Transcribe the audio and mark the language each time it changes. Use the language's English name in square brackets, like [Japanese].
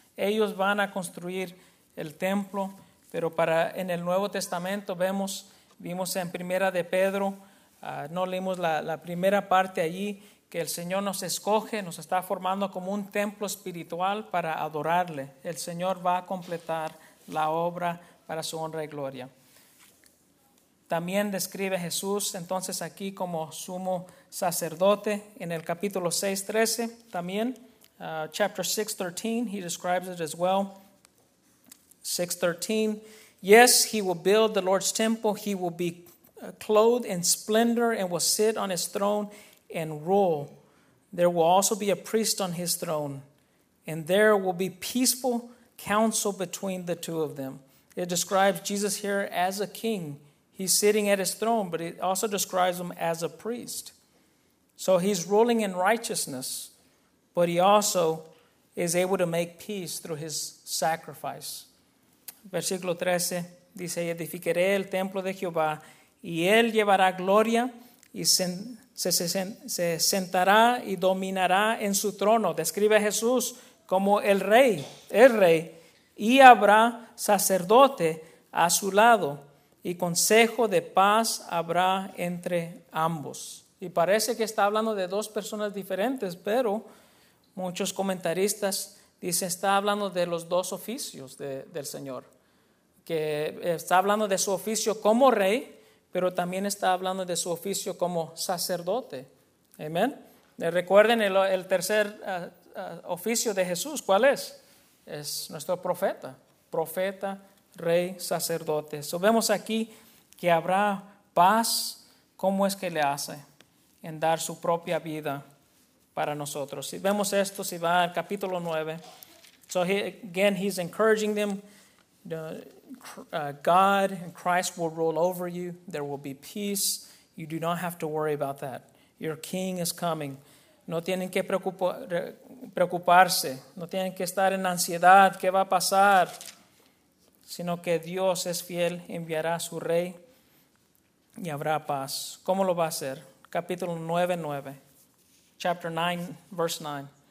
[Spanish] Ellos van a construir el templo, pero para en el Nuevo Testamento vimos en Primera de Pedro, no leímos la primera parte allí, que el Señor nos escoge, nos está formando como un templo espiritual para adorarle. El Señor va a completar la obra para su honra y gloria. También describe a Jesús entonces aquí como sumo sacerdote en el capítulo 6:13 también. [English] Chapter 6:13, he describes it as well. 6:13, yes, he will build the Lord's temple. He will be clothed in splendor and will sit on his throne and rule. There will also be a priest on his throne and there will be peaceful counsel between the two of them. It describes Jesus here as a king. He's sitting at his throne, but it also describes him as a priest. So he's ruling in righteousness, but he also is able to make peace through his sacrifice. [Spanish] Versículo 13 dice, y edificaré el templo de Jehová, y él llevará gloria, y se sentará y dominará en su trono. Describe a Jesús como el rey, y habrá sacerdote a su lado, y consejo de paz habrá entre ambos. Y parece que está hablando de dos personas diferentes, pero muchos comentaristas dicen está hablando de los dos oficios del Señor, que está hablando de su oficio como rey, pero también está hablando de su oficio como sacerdote. Amén. Recuerden el tercer oficio de Jesús, ¿cuál es? Es nuestro profeta, rey, sacerdote. So vemos aquí que habrá paz. ¿Cómo es que le hace? En dar su propia vida para nosotros. Si vemos esto, si va al capítulo 9. [English] So he, again, he's encouraging them. God and Christ will rule over you. There will be peace. You do not have to worry about that. Your king is coming. [Spanish] No tienen que preocuparse. No tienen que estar en ansiedad. ¿Qué va a pasar? Sino que Dios es fiel, enviará a su rey y habrá paz. ¿Cómo lo va a hacer? Capítulo 9:9. [English] Chapter 9, verse 9.